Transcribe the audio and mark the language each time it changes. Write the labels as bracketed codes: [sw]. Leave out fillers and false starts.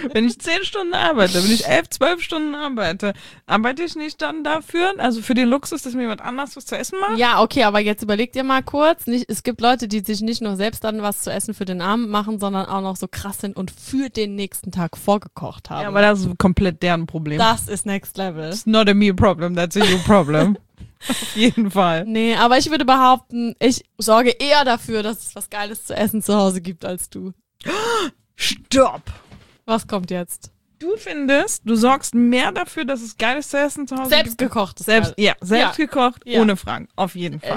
[de] Wenn ich 10 Stunden arbeite, wenn ich 11, 12 Stunden arbeite, arbeite ich nicht dann dafür, also für den Luxus, dass mir jemand anders was zu essen macht? Ja, okay, aber jetzt überleg dir mal kurz. Es gibt Leute, die sich nicht nur selbst dann was zu essen für den Abend machen, sondern auch noch so krass sind und für den nächsten Tag vorgekocht haben. Ja, aber das ist komplett deren Problem. Das ist next level. [en] It's not a me problem, that's a you problem. [de] Auf jeden Fall. Nee, aber ich würde behaupten, ich sorge eher dafür, dass es was Geiles zu essen zu Hause gibt als du. Stopp! Was kommt jetzt? Du findest, du sorgst mehr dafür, dass es Geiles zu essen zu Hause selbst gibt. Selbstgekochtes. Selbstgekocht. Ohne Fragen, auf jeden Fall.